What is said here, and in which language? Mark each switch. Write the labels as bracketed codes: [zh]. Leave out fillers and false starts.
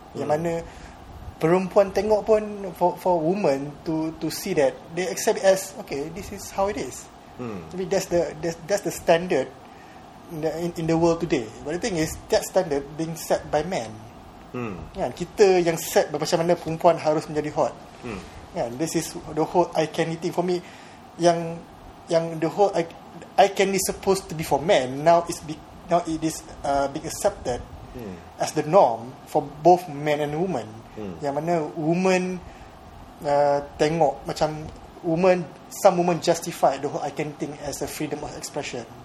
[ms] Yang mana perempuan tengok pun, [en] for woman to see that, they accept as okay, this is how it is. Jadi that's the standard in the world today. But the thing is, that standard being set by men. [ms] Yeah, kita yang set macam mana perempuan harus menjadi hot. [en] Yeah, this is the whole eye candy thing for me. Yang the whole eye candy supposed to be for men, now it is being accepted as the norm for both men and women. [ms] Yang mana woman tengok macam woman, [en] some woman justify the whole eye candy thing as a freedom of expression.